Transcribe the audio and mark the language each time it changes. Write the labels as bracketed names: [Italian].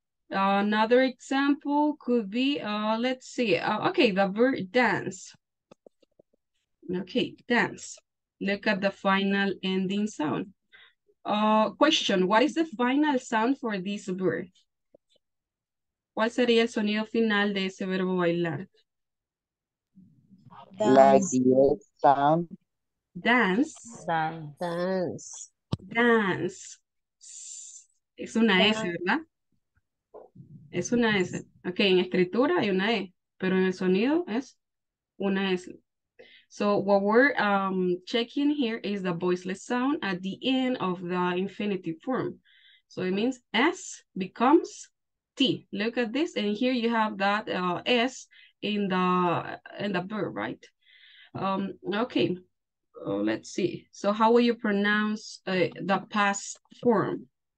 [English] Another example could be, let's see, okay, the verb dance. Okay, dance. Look at the final ending sound. Question, what is the final sound for this verb? [Spanish] ¿Cuál sería el sonido final de ese verbo bailar? [English] Dance. Like the sound. Dance. Dance. Dance. Dance. [Spanish] Es una S, ¿verdad? Es una S. Ok, en escritura hay una E, pero en el sonido es una S. [English] So what we're checking here is the voiceless sound at the end of the infinitive form. So it means S becomes T. Look at this, and here you have that S in the verb, right? Okay, let's see. So how will you pronounce the past form?